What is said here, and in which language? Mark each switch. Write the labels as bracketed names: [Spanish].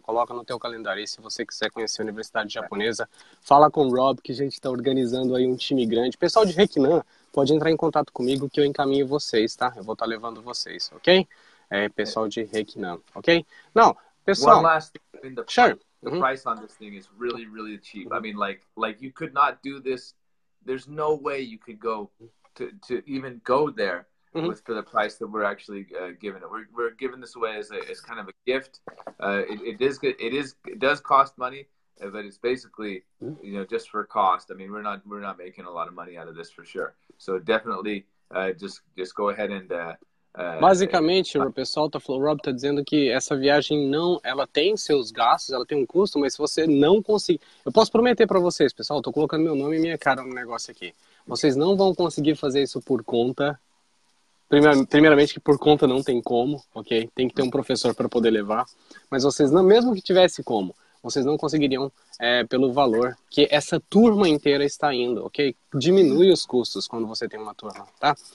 [Portuguese] Coloca no teu calendário. E se você quiser conhecer a Universidade Japonesa, fala com o Rob, que a gente está organizando aí um time grande. Pessoal de Reikinan, pode entrar em contato comigo que eu encaminho vocês, tá? Eu vou estar levando vocês, ok? Pessoal de Reikinan, ok? Não... Pessoal, [English] one last thing, I mean, the price on this thing is really, really cheap. I mean, like you could not do this. There's no way you could go to even go there for the price that we're actually giving it. We're giving this away as kind of a gift. It does cost money, but it's basically you know just for cost. I mean, we're not making a lot of money out of this for sure. So definitely, just go ahead and. [Portuguese] Basicamente, o pessoal tá falando, o Rob tá dizendo que essa viagem não, ela tem seus gastos, ela tem um custo, mas se você não conseguir, eu posso prometer para vocês, pessoal, tô colocando meu nome e minha cara no negócio aqui, vocês não vão conseguir fazer isso por conta, primeiramente que por conta não tem como, ok, tem que ter um professor para poder levar, mas vocês não, mesmo que tivesse como, vocês não conseguiriam pelo valor que essa turma inteira está indo, ok, diminui os custos quando você tem uma turma, tá?